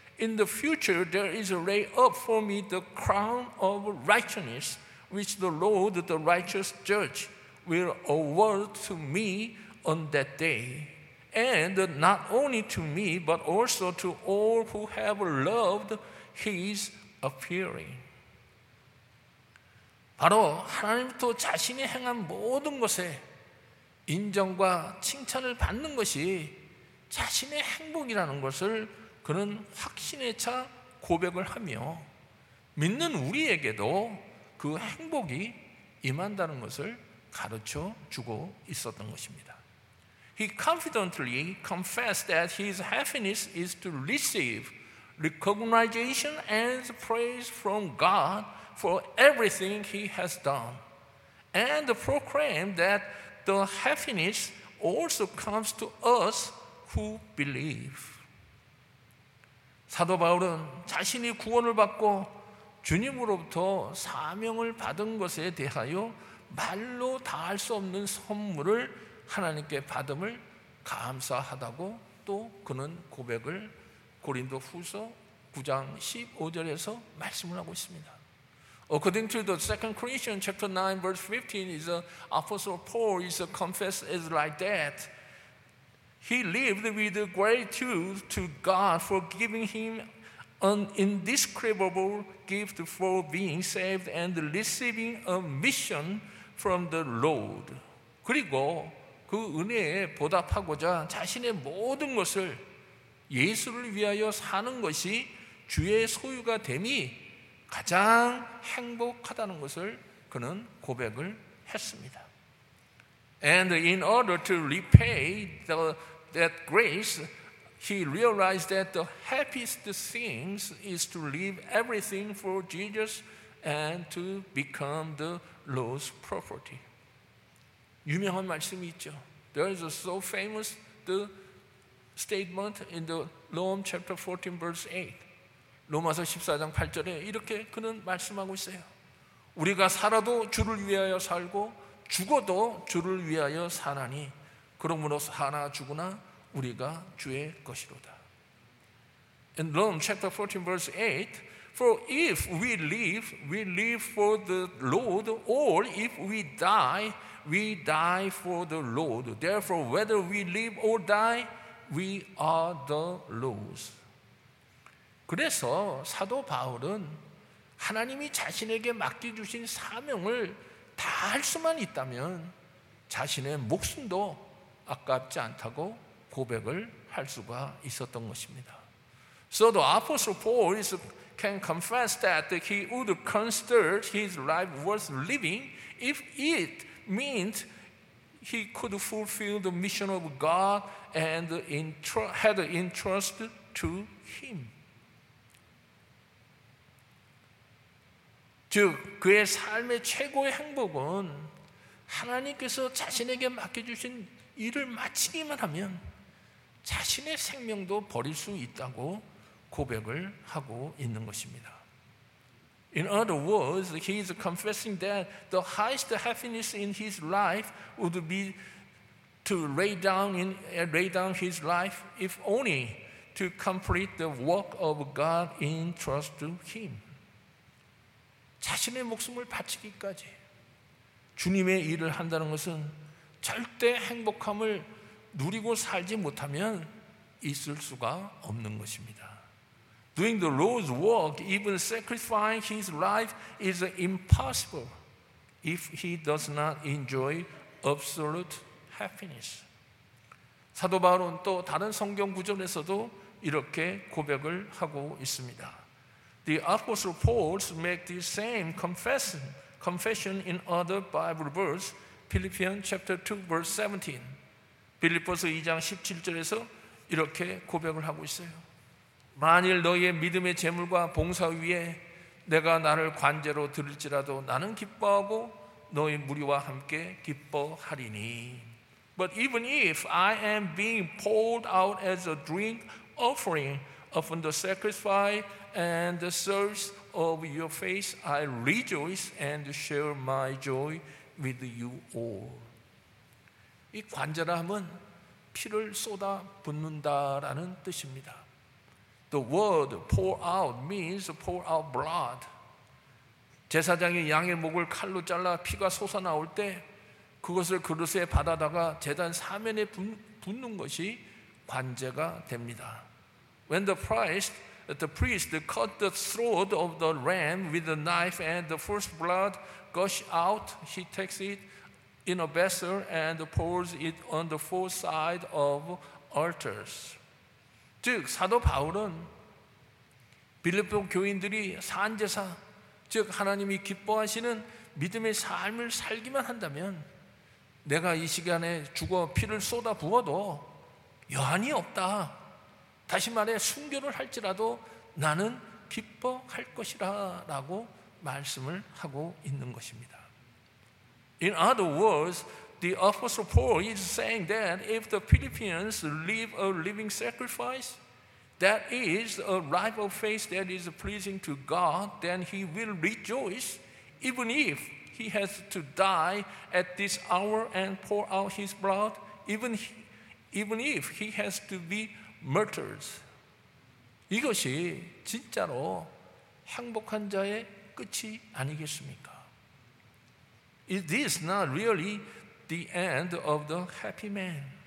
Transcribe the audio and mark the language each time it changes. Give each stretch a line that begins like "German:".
English: In the future, there is laid up for me the crown of righteousness, which the Lord, the righteous judge, will award to me on that day. And not only to me, but also to all who have loved his appearing.
Korean: 바로 하나님부터 자신이 행한 모든 것에 인정과 칭찬을 받는 것이 자신의 행복이라는 것을 그는 확신에 차 고백을 하며 믿는 우리에게도 그 행복이 임한다는 것을 가르쳐 주고 있었던 것입니다.
English: He confidently confessed that his happiness is to receive recognition and praise from God for everything he has done, and proclaim that the happiness also comes to us who believe.
Korean: 사도 바울은 자신이 구원을 받고 주님으로부터 사명을 받은 것에 대하여 말로 다할 수 없는 선물을 하나님께 받음을 감사하다고 또 그는 고백을 고린도 후서 9장 15절에서 말씀을 하고 있습니다.
English: According to the Second Corinthians chapter 9 verse 15 is the apostle Paul is confessed as like that. He lived with gratitude to God for giving him an indescribable gift for being saved and receiving a mission from the Lord.
Korean: 그리고 그 은혜에 보답하고자 자신의 모든 것을 예수를 위하여 사는 것이 주의 소유가 됨이 가장 행복하다는 것을 그는 고백을 했습니다.
English: And in order to repay that grace, he realized that the happiest things is to leave everything for Jesus and to become the Lord's property.
Korean: 유명한 말씀이 있죠.
English: There is a so famous the statement in the Romans chapter 14 verse 8.
Korean: 로마서 14장 8절에 이렇게 그는 말씀하고 있어요. 우리가 살아도 주를 위하여 살고 죽어도 주를 위하여 사나니 그러므로 사나 죽으나 우리가 주의 것이로다.
English: In Romans chapter 14 verse 8, for if we live for the Lord, or if we die, we die for the Lord. Therefore, whether we live or die, we are the Lord's.
Korean: 그래서 사도 바울은 하나님이 자신에게 맡겨주신 사명을 다할 수만 있다면 자신의 목숨도 아깝지 않다고 고백을 할 수가 있었던 것입니다.
English: So the apostle Paul can confess that he would consider his life worth living if it meant he could fulfill the mission of God and had entrust to him.
Korean: 즉 그의 삶의 최고의 행복은 하나님께서 자신에게 맡겨주신 일을 마치기만 하면 자신의 생명도 버릴 수 있다고 고백을 하고 있는 것입니다.
English: In other words, he is confessing that the highest happiness in his life would be to lay down his life if only to complete the work of God in trust to him.
Korean: 자신의 목숨을 바치기까지 주님의 일을 한다는 것은 절대 행복함을 누리고 살지 못하면 있을 수가 없는 것입니다.
English: Doing the Lord's work, even sacrificing his life, is impossible if he does not enjoy absolute happiness.
Korean: 사도 바울은 또 다른 성경 구절에서도 이렇게 고백을 하고 있습니다.
English: The Apostle Paul makes the same confession in other Bible verse, Philippians chapter 2, verse 17.
Korean: 빌립보서 2장 17절에서 이렇게 고백을 하고 있어요. 만일 너희의 믿음의 재물과 봉사 위에 내가 나를 관제로 들을지라도 나는 기뻐하고 너희 무리와 함께 기뻐하리니.
English: But even if I am being poured out as a drink offering upon the sacrifice and the service of your face, I rejoice and share my joy with you all.
Korean: 이 관제함은 피를 쏟아 붓는다라는 뜻입니다.
English: The word pour out means pour out blood.
Korean: 제사장이 양의 목을 칼로 잘라 피가 솟아나올 때 그것을 그릇에 받아다가 제단 사면에 붓는 것이 관제가 됩니다.
English: When the priest cut the throat of the ram with a knife and the first blood gushed out, he takes it in a vessel and pours it on the four sides of altars.
Korean: 즉 사도 바울은 빌립보 교인들이 산제사 즉 하나님이 기뻐하시는 믿음의 삶을 살기만 한다면 내가 이 시간에 죽어 피를 쏟아 부어도 여한이 없다. 다시 말해 순교를 할지라도 나는 기뻐할 것이라 라고 말씀을 하고 있는 것입니다.
English: In other words, The Apostle Paul is saying that if the Philippians live a living sacrifice, that is a life of faith that is pleasing to God, then he will rejoice even if he has to die at this hour and pour out his blood, even if he has to be murdered.
Korean: 이것이 진짜로 행복한 자의 끝이 아니겠습니까?
English: Is this not really the end of the happy man?